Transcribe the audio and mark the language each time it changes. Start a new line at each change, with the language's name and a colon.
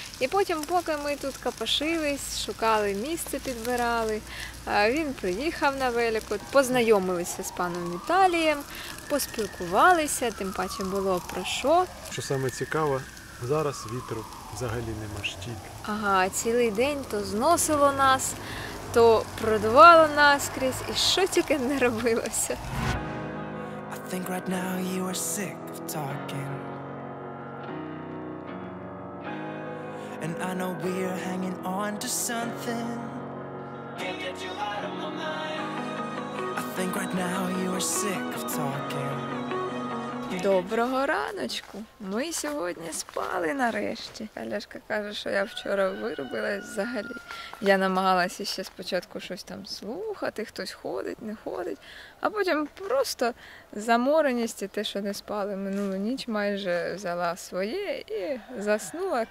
Ukrainian: І потім, поки ми тут капашились, шукали місце, підбирали, він приїхав на велику, познайомилися з паном Віталієм, поспілкувалися, тим паче було про що. Що саме цікаво, зараз вітру взагалі нема стільки. Ага, цілий день то зносило нас, то продувало наскрізь, і що тільки не робилося.
English: I think right now you are sick of talking. And I know we are hanging on to something. Can't get you out of my mind. I think right now you are sick of talking.
Ukrainian: Доброго раночку. Ми сьогодні спали нарешті. Аляшка каже, що я вчора вирубилась взагалі. Я намагалася ще спочатку щось там слухати, хтось ходить, не ходить. А потім просто замореність і те, що не спали минулу ніч, майже взяла своє і заснула.